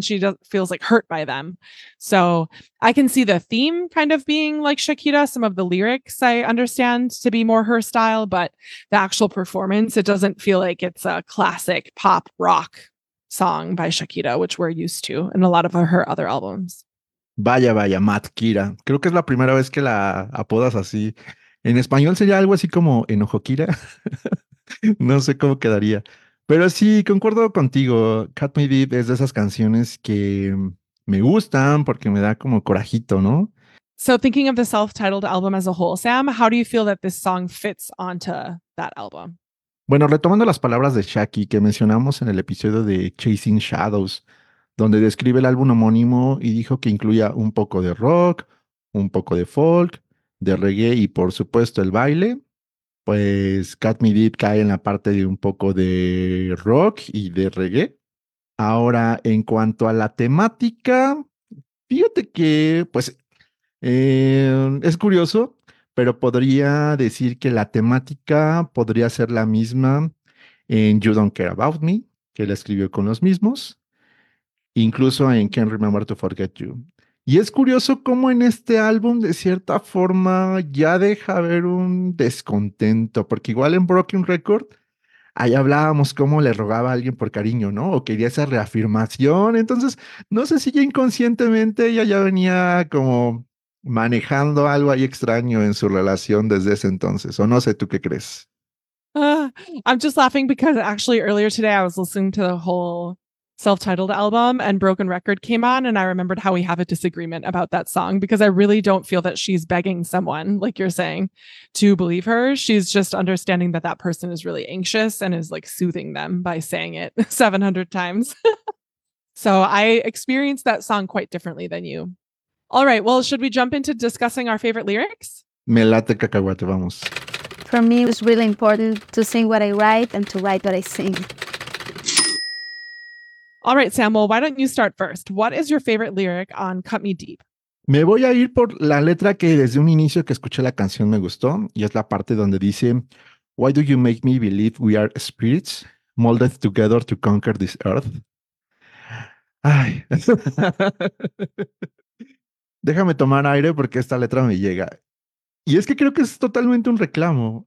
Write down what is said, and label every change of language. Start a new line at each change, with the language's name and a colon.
English: She feels like hurt by them. So I can see the theme kind of being like Shakira. Some of the lyrics I understand to be more her style, but the actual performance, it doesn't feel like it's a classic pop rock song by Shakira, which we're used to in a lot of her other albums.
Spanish: Vaya, vaya, Mad Kira. Creo que es la primera vez que la apodas así. En español sería algo así como Enojo Kira. No sé cómo quedaría. Pero sí, concuerdo contigo. Cut Me Deep es de esas canciones que me gustan porque me da como corajito, ¿no?
English: So thinking of the self-titled album as a whole, Sam, how do you feel that this song fits onto that album?
Spanish: Bueno, retomando las palabras de Shaki que mencionamos en el episodio de Chasing Shadows, donde describe el álbum homónimo y dijo que incluía un poco de rock, un poco de folk, de reggae y por supuesto el baile, pues Cut Me Deep cae en la parte de un poco de rock y de reggae. Ahora, en cuanto a la temática, fíjate que, pues, es curioso, pero podría decir que la temática podría ser la misma en You Don't Care About Me, que la escribió con los mismos. Incluso en Can't Remember to Forget You. Y es curioso cómo en este álbum, de cierta forma, ya deja ver un descontento. Porque igual en Broken Record, ahí hablábamos cómo le rogaba a alguien por cariño, ¿no? O quería esa reafirmación. Entonces, no sé si ya inconscientemente ella ya venía como manejando algo ahí extraño en su relación desde ese entonces. O no sé, ¿tú qué crees?
English: I'm just laughing because actually earlier today I was listening to the whole self-titled album and Broken Record came on and I remembered how we have a disagreement about that song because I really don't feel that she's begging someone, like you're saying, to believe her. She's just understanding that that person is really anxious and is like soothing them by saying it 700 times. So I experienced that song quite differently than you. All right, well, should we jump into discussing our favorite lyrics?
Spanish: Me late cacahuate, vamos.
English: For me, it was really important to sing what I write and to write what I sing. All right, Samuel, why don't you start first? What is your favorite lyric on Cut Me Deep?
Spanish: Me voy a ir por la letra que desde un inicio que escuché la canción me gustó, y es la parte donde dice,
English: "Why do you make me believe we are spirits molded together to conquer this earth?"
Spanish: Ay. Déjame tomar aire porque esta letra me llega. Y es que creo que es totalmente un reclamo.